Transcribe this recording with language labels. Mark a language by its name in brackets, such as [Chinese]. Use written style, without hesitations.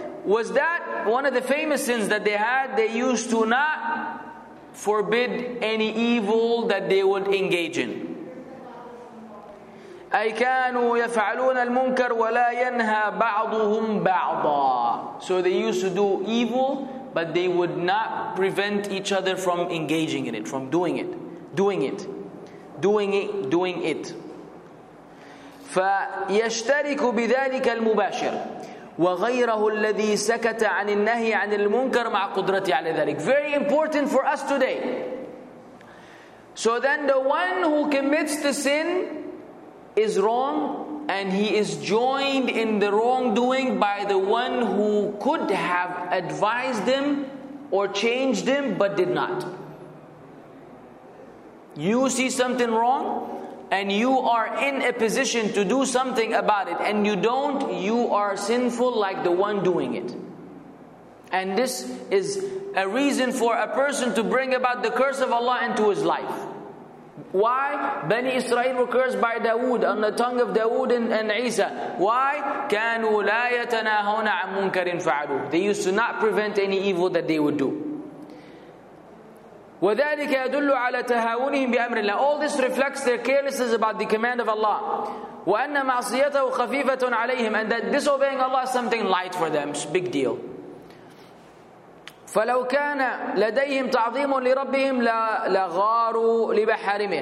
[English] Was that one of the famous sins that they had? They used to not forbid any evil that they would engage in. [Arabic] أي كانوا يفعلون المنكر ولا ينهى بعضهم بعضا. [English] So they used to do evil, but they would not prevent each other from engaging in it, from doing it, doing it, doing it, doing it. [Arabic] فيشترك بذلك المباشر وغيره الذي سكت عن النهي عن المنكر مع قدرته على ذلك. [English] Very important for us today. So then the one who commits the sin is wrong, and he is joined in the wrongdoing by the one who could have advised him or changed him but did not. You see something wrong and you are in a position to do something about it and you don't, you are sinful like the one doing it. And this is a reason for a person to bring about the curse of Allah into his life. Why? Bani Israel were cursed by Dawood on the tongue of Dawood and Isa. Why? [Arabic] كانوا لا يتناهون عن منكر فعلوا. [English] They used to not prevent any evil that they would do. [Arabic] وذلك يدل على تهاونهم بأمر الله. [English] All this reflects their carelessness about the command of Allah. [Arabic] وأن معصيته خفيفة عليهم. [English] And that disobeying Allah is something light for them. It's a big deal. [Arabic] فَلَوْ كَانَ لَدَيْهِمْ تَعْظِيمٌ لِرَبِّهِمْ لَغَارُوا لِبَحَرِمِهِ.